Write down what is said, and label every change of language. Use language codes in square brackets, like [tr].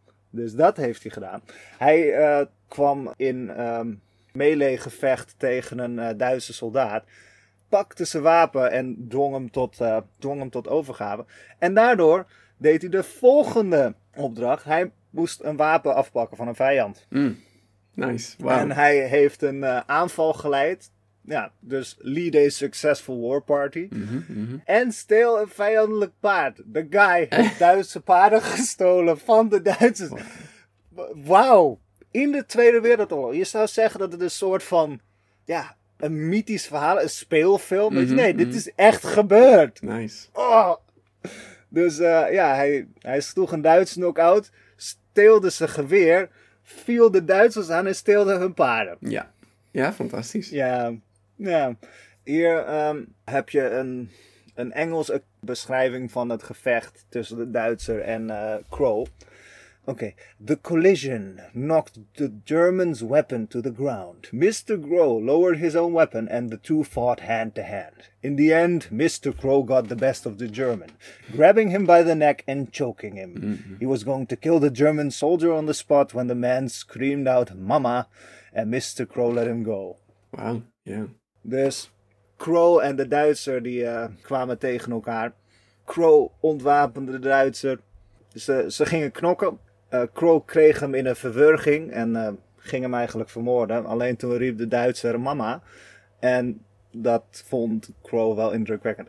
[nl] Dus dat heeft hij gedaan. Hij kwam in melee gevecht tegen een Duitse soldaat. Pakte zijn wapen en dwong hem tot overgave. En daardoor deed hij de volgende opdracht. Hij moest een wapen afpakken van een vijand. [en] Mm. Nice, wow. [nl] En hij heeft een aanval geleid. Ja, dus [en] lead a successful war party. Mm-hmm. [nl] En steal een vijandelijk paard. De guy heeft Duitse paarden gestolen van de Duitsers. Wauw. In de Tweede Wereldoorlog. Je zou zeggen dat het een soort van, ja, een mythisch verhaal, een speelfilm. Mm-hmm. Nee, dit is echt gebeurd. [en] Nice. Oh. [nl] Dus hij sloeg een Duits knock-out. Steelde zijn geweer, viel de Duitsers aan en steelde hun paarden. Ja, ja, fantastisch. Ja, ja. Hier heb je een Engelse beschrijving van het gevecht tussen de Duitser en Crow. Oké, okay. [en] The collision knocked the German's weapon to the ground. Mr. Crow lowered his own weapon and the two fought hand to hand. In the end, Mr. Crow got the best of the German, grabbing him by the neck and choking him. Mm-hmm. He was going to kill the German soldier on the spot when the man screamed out, Mama, and Mr. Crow let him go. Wow, yeah. [nl] Dus Crow en de Duitser die kwamen tegen elkaar. Crow ontwapende de Duitser. Ze gingen knokken. Crow kreeg hem in een verwerging en ging hem eigenlijk vermoorden. Alleen toen riep de Duitser Mama. En dat vond Crow wel indrukwekkend.